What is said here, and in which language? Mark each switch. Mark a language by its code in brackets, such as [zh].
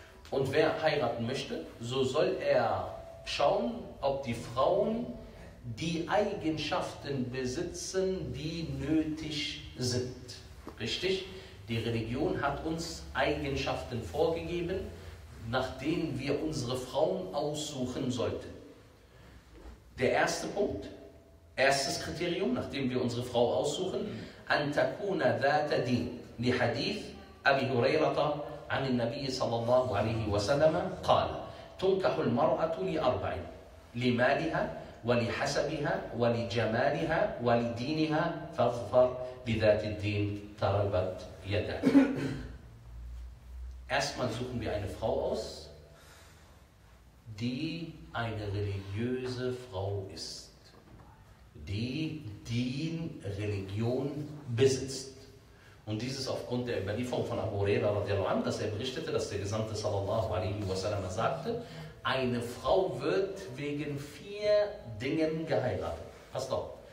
[de] Und wer heiraten möchte, so soll er schauen, ob die Frauen die Eigenschaften besitzen, die nötig sind. Richtig? Die Religion hat uns Eigenschaften vorgegeben, nach denen wir unsere Frauen aussuchen sollten. Der erste Punkt, erstes Kriterium, nachdem wir unsere Frau aussuchen, [ar] an takuna dhata din, li hadith Abi Hurairata, عن النبي صلى الله عليه وسلم قال تنكح المرأة لأربع لمالها ولحسبها ولجمالها ولدينها فاظفر بذات الدين تربت يدك. [de] Erstmal suchen wir eine Frau aus, die eine religiöse Frau ist, die Dien, Religion besitzt. Und dieses aufgrund der Überlieferung von Abu Huraira radiallahu anhu, dass er berichtete, dass der Gesandte sallallahu alaihi wasallam sagte, eine Frau wird wegen vier Dingen geheiratet. Passt auf.